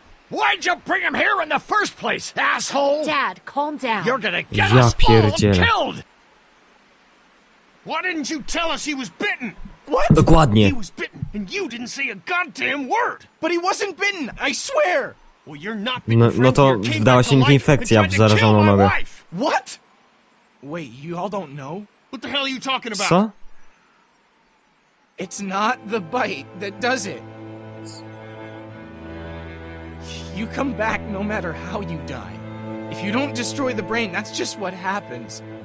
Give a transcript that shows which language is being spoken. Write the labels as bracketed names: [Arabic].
[English] Why'd you bring him here in the first place, asshole? Dad, calm down. You're gonna get us all killed. Why didn't you tell us he was bitten? What? [Polish] Dokładnie. [English] He was bitten, and you didn't say a goddamn word. But he wasn't bitten, I swear. Well, you're not. [Polish] No to wdała się infekcja w zarażoną nogę. [English] What? Wait, you all don't know? What the hell are you talking about? [Polish] Co? [English] It's not the bite that does it. You come back no matter how you die. If you don't destroy the brain, that's just what happens.